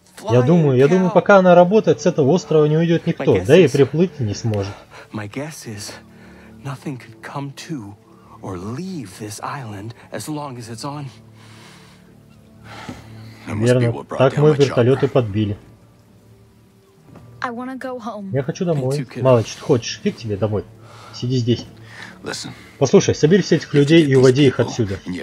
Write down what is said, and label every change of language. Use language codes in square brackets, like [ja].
[ru] Я думаю, пока она работает, с этого острова не уйдет никто, да и приплыть не сможет. [en] My guess is nothing could come to or leave this island as long as it's on. [ru] Верно, так мы вертолеты подбили. Я хочу домой. Малыч, что хочешь? Фиг тебе домой. Сиди здесь. Послушай, собери всех этих людей и уводи их отсюда.